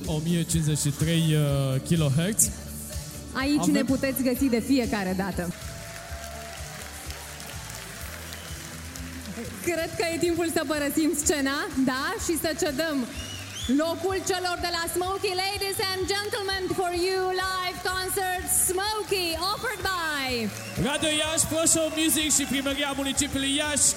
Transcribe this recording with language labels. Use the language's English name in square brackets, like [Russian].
[Romanian] 1053 kHz. Aici ne puteți găsi de fiecare dată. Cred că e timpul să părăsim scena, da? Și să cedăm locul celor de la Smokey. [English] Ladies and gentlemen, for you, live concert Smokey, offered by [Romanian] Radio Iași, Proșov Music și Primăria Municipiului Iași.